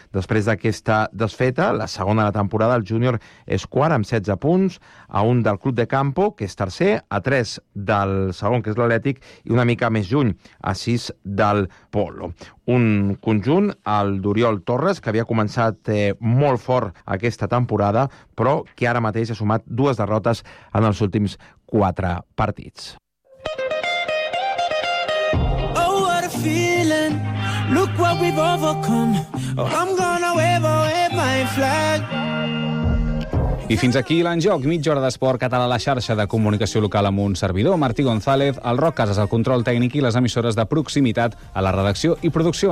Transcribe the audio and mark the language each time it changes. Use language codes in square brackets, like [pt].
[ca] Després d'aquesta desfeta, la segona de la temporada, el Júnior és quart amb 16 punts, a un del Club de Campo, que és tercer, a 3 del segon, que és l'Atlètic, i una mica més lluny, a 6 del Polo. Un conjunt, el d'Oriol Torres, que havia començat molt fort aquesta temporada, però que ara mateix ha sumat 2 derrotes en els últims 4 partits. [en] Feeling, look what we've overcome. Oh, I'm gonna wave away my flag. [ca] I fins aquí l'Enjoc, mitja hora d'esport català a la xarxa de comunicació local amb un servidor, Martí González, el Roc Casas, el control tècnic i les emissores de proximitat a la redacció i producció.